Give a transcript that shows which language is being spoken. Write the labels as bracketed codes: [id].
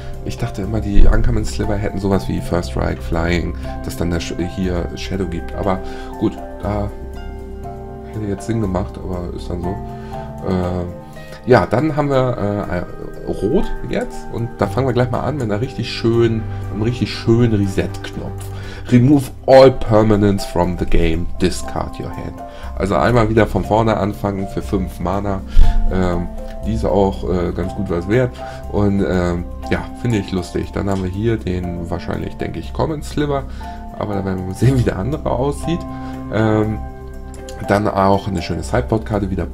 [de] Ich dachte immer, die Uncommon Sliver hätten sowas wie First Strike, Flying, dass dann hier Shadow gibt. Aber gut, da hätte jetzt Sinn gemacht, aber ist dann so. Ja, dann haben wir Rot jetzt und da fangen wir gleich mal an mit einer richtig schönen, einem richtig schönen Reset-Knopf. [en] Remove all permanents from the game, discard your hand. [de] Also einmal wieder von vorne anfangen für 5 Mana. Die ist auch ganz gut was wert. Und ja, finde ich lustig. Dann haben wir hier den wahrscheinlich, denke ich, Common Sliver. Aber da werden wir mal sehen, wie der andere aussieht. Dann auch eine schöne Sideboard-Karte wieder.